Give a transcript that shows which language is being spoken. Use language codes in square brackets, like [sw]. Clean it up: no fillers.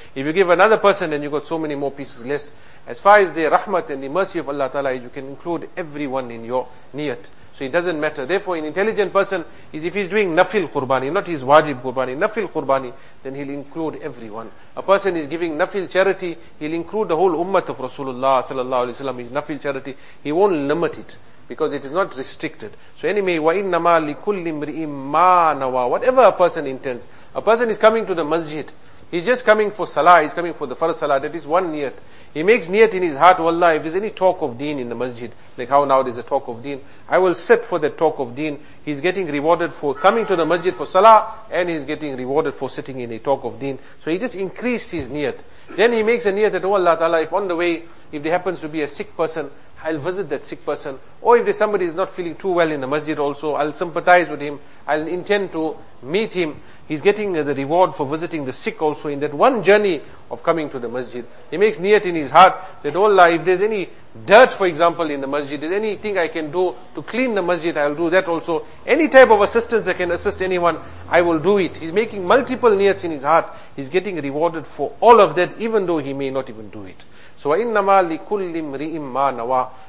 [en] If you give another person, then you got so many more pieces less. As far as the rahmat and the mercy of Allah ta'ala is, you can include everyone in your niyat. So it doesn't matter. Therefore, an intelligent person is, if he's doing nafil qurbani, not his wajib qurbani, nafil qurbani, then he'll include everyone. A person is giving nafil charity, he'll include the whole ummah of Rasulullah sallallahu alaihi wasallam, his nafil charity. He won't limit it, because it is not restricted. So anyway, [ar] وَإِنَّمَا لِكُلِّ مْرِئِمْ مَا نَوَى. [en] Whatever a person intends. A person is coming to the masjid. He's just coming for salah, he's coming for the farz salah, that is one niyat. He makes niyat in his heart, wallah, if there's any talk of deen in the masjid, like how now there's a talk of deen, I will sit for the talk of deen. He's getting rewarded for coming to the masjid for salah, and he's getting rewarded for sitting in a talk of deen. So he just increased his niyat. Then he makes a niyat that, oh Allah Ta'ala, if on the way, if there happens to be a sick person, I'll visit that sick person. Or if there's somebody is not feeling too well in the masjid also, I'll sympathize with him. I'll intend to meet him. He's getting the reward for visiting the sick also in that one journey of coming to the masjid. He makes niyat in his heart that, oh Allah, if there's any dirt, for example, in the masjid, is anything I can do to clean the masjid, I'll do that also. Any type of assistance I can assist anyone, I will do it. He's making multiple niyats in his heart. He's getting rewarded for all of that, even though he may not even do it. [ar] So, وَإِنَّمَا لِكُلِّ امْرِئٍ مَا نَوَى.